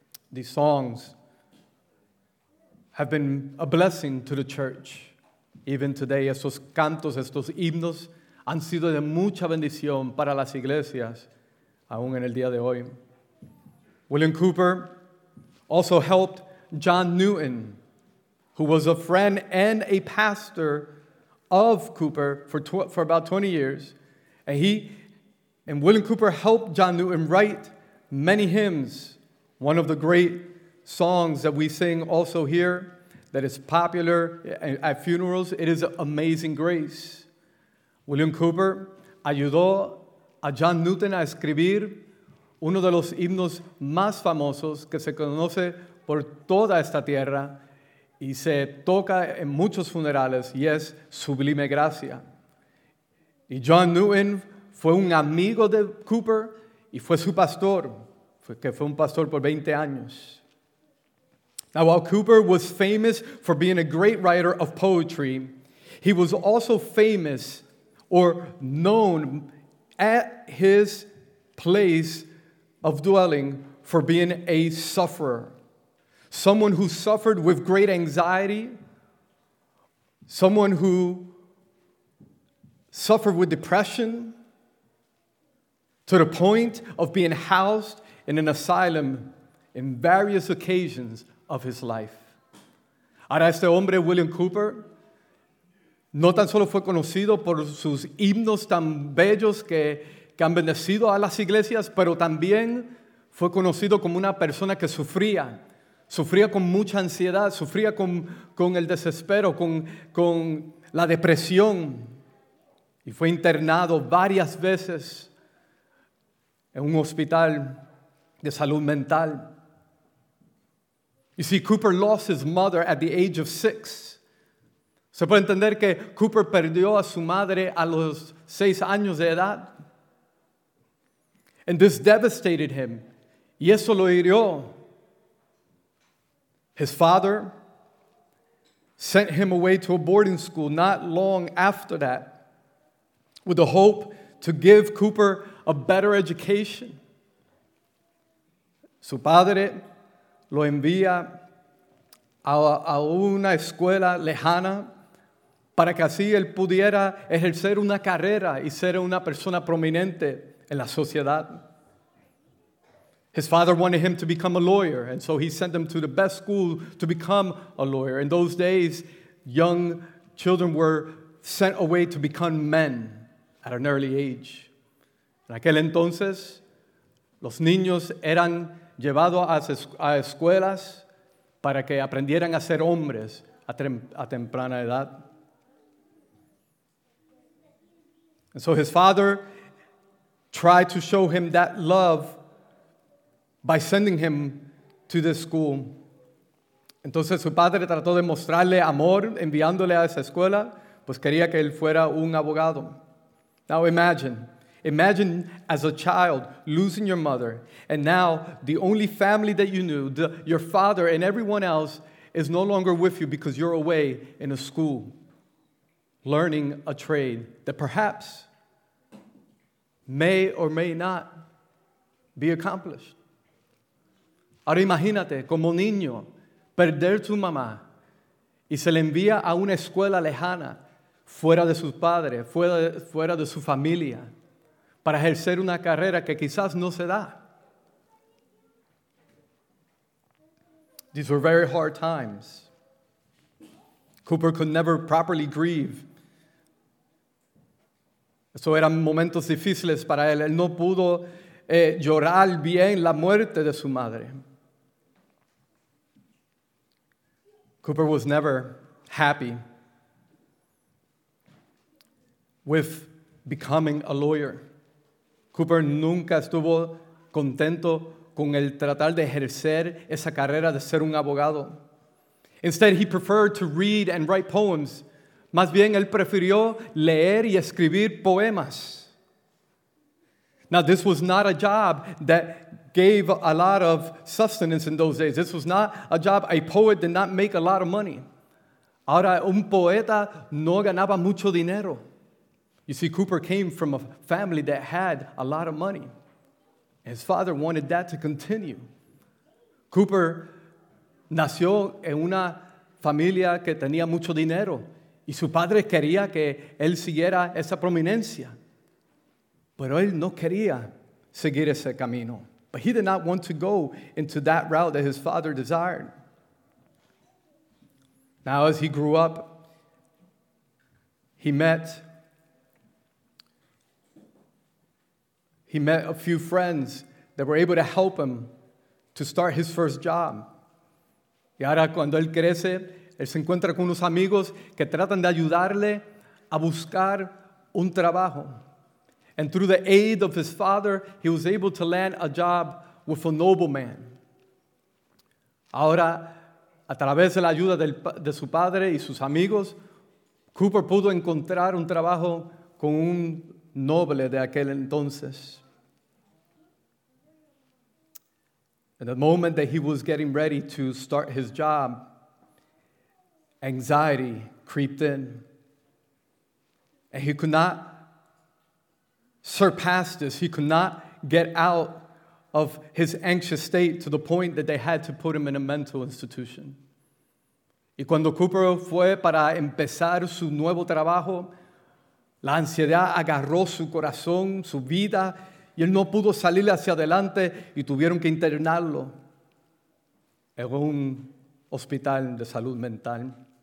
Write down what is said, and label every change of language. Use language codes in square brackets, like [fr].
[en] These songs have been a blessing to the church, even today. [es] Esos cantos, estos himnos han sido de mucha bendición para las iglesias, aún en el día de hoy. [en] William Cooper also helped John Newton, who was a friend and a pastor of Cooper for about 20 years. And William Cooper helped John Newton write many hymns. One of the great songs that we sing also here that is popular at funerals, it is Amazing Grace. [es] William Cooper ayudó a John Newton a escribir uno de los himnos más famosos que se conoce por toda esta tierra y se toca en muchos funerales, y es Sublime Gracia. Y John Newton fue un amigo de Cooper y fue su pastor, que fue un pastor por 20 años. [en] Now, while Cooper was famous for being a great writer of poetry, he was also famous or known at his place of dwelling for being a sufferer. Someone who suffered with great anxiety, someone who suffered with depression to the point of being housed in an asylum in various occasions of his life. [es] Ahora, este hombre, William Cooper, no tan solo fue conocido por sus himnos tan bellos que han bendecido a las iglesias, pero también fue conocido como una persona que sufría. Sufría con mucha ansiedad, sufría con el desespero, con la depresión. Y fue internado varias veces en un hospital de salud mental. [en] You see, Cooper lost his mother at the age of 6. [es] Se puede entender que Cooper perdió a su madre a los 6 años de edad. [en] And this devastated him. [es] Y eso lo hirió. [en] His father sent him away to a boarding school not long after that with the hope to give Cooper a better education. [es] Su padre lo envía a una escuela lejana para que así él pudiera ejercer una carrera y ser una persona prominente en la sociedad. [en] His father wanted him to become a lawyer, and so he sent him to the best school to become a lawyer. In those days, young children were sent away to become men at an early age. [es] En aquel entonces, los niños eran llevados a escuelas para que aprendieran a ser hombres a temprana edad. [en] And so his father tried to show him that love by sending him to the school. [es] Entonces su padre trató de mostrarle amor enviándole a esa escuela, pues quería que él fuera un abogado. [en] Now imagine as a child losing your mother, and now the only family that you knew, your father and everyone else, is no longer with you because you're away in a school learning a trade that perhaps may or may not be accomplished. [es] Ahora imagínate, como niño, perder tu mamá y se le envía a una escuela lejana, fuera de sus padres, fuera de su familia, para ejercer una carrera que quizás no se da. [en] These were very hard times. Cooper could never properly grieve. [es] Eso eran momentos difíciles para él. Él no pudo llorar bien la muerte de su madre. [en] Cooper was never happy with becoming a lawyer. [es] Cooper nunca estuvo contento con el tratar de ejercer esa carrera de ser un abogado. [en] Instead, he preferred to read and write poems. [es] Más bien, él prefirió leer y escribir poemas. [en] Now, this was not a job that gave a lot of sustenance in those days. This was not a job. A poet did not make a lot of money. [es] Ahora, un poeta no ganaba mucho dinero. [en] You see, Cooper came from a family that had a lot of money. His father wanted that to continue. [es] Cooper nació en una familia que tenía mucho dinero, y su padre quería que él siguiera esa prominencia. Pero él no quería seguir ese camino. [en] But he did not want to go into that route that his father desired. Now, as he grew up, he met a few friends that were able to help him to start his first job. [es] Y ahora cuando él crece, él se encuentra con unos amigos que tratan de ayudarle a buscar un trabajo. [en] And through the aid of his father, he was able to land a job with a nobleman. [es] Ahora, a través de la ayuda de su padre y sus amigos, Cooper pudo encontrar un trabajo con un noble de aquel entonces. [en] At the moment that he was getting ready to start his job, anxiety crept in. And he could not surpass this. He could not get out of his anxious state to the point that they had to put him in a mental institution. [es] Y cuando Cooper fue para empezar su nuevo trabajo, la ansiedad agarró su corazón, su vida, y él no pudo salir hacia adelante y tuvieron que internarlo en un hospital de salud mental.